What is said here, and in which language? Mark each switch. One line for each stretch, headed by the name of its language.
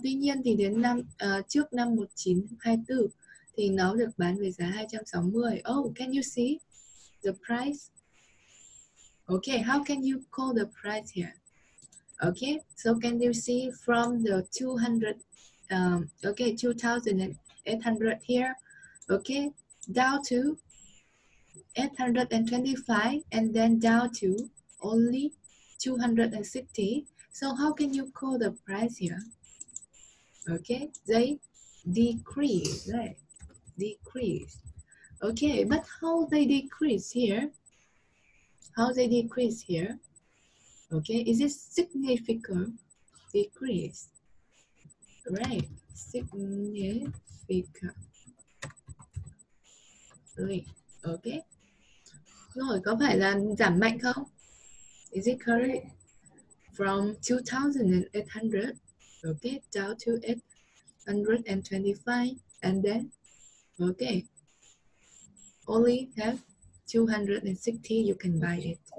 Vietnamese: Tuy nhiên thì đến năm trước năm 1924 thì nó được bán với giá 260.
English: Oh, can you see the price? Okay, how can you call the price here? Okay, so can you see from the 200? Okay, 2,800 here. Okay. Down to 825 and then down to only 260. So how can you call the price here? Okay, they decrease, right? Decrease. Okay, but how they decrease here? How they decrease here? Okay, is it significant decrease? Right, significant. Okay.
Vietnamese: Rồi, có phải là giảm mạnh không?
English: Is it correct? From 2,800, okay, down to 825, and then, okay, only have 260, you can buy it.